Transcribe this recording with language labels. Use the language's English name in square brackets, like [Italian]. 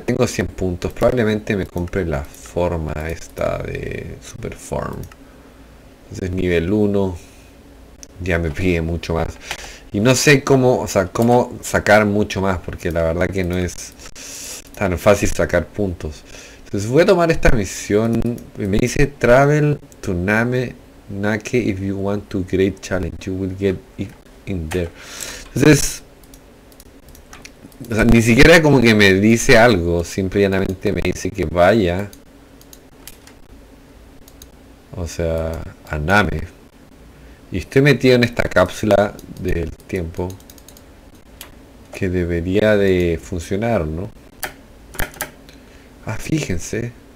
[Spanish] Tengo 100 puntos, probablemente me compre la forma esta de Super Form. Ese es nivel 1, ya me pide mucho más. Y no sé cómo, o sea, cómo sacar mucho más, porque la verdad que no es tan fácil sacar puntos. Entonces voy a tomar esta misión. Me dice [English] Travel to Name Nake. If you want to great challenge, you will get it in there. [Spanish] Entonces, o sea, ni siquiera como que me dice algo, simple y llanamente me dice que vaya, o sea, a Name. Y estoy metido en esta cápsula del tiempo que debería de funcionar, ¿no? Ah, fíjense.